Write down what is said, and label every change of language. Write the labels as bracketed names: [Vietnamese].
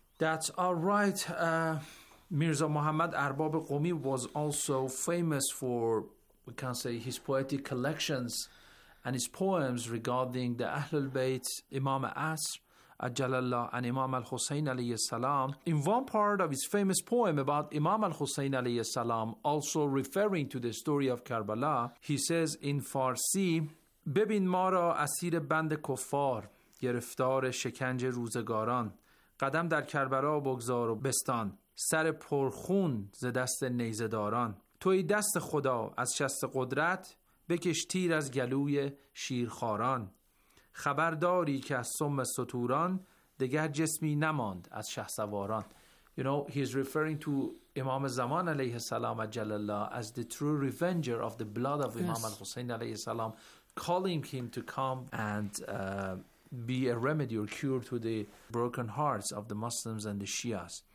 [English] That's all right. Mirza Muhammad Arbab Qomi was also famous for, we can say, his poetic collections and his poems regarding the Ahlul Bayt, Imam Asr, Ajalallah, and Imam al-Hussein alayhi salam. In one part of his famous poem about Imam al-Hussein alayhi salam, also referring to the story of Karbala, he says in Farsi, [Persian] ببین ما را اسیر بند کفار گرفتار شکنج روزگاران قدم در کربلا بگذار و بستان سر پرخون ز دست نیزداران توی دست خدا از شست قدرت بکش تیر از گلوی شیرخاران خبرداری که از سم ستوران دگر جسمی نماند از شهسواران. [English] You know, he is referring to Imam Zaman alayhi salam ajalallah as the true revenger of the blood of Imam, yes, al-Hussein alayhi salam, calling him to come and be a remedy or cure to the broken hearts of the Muslims and the Shias.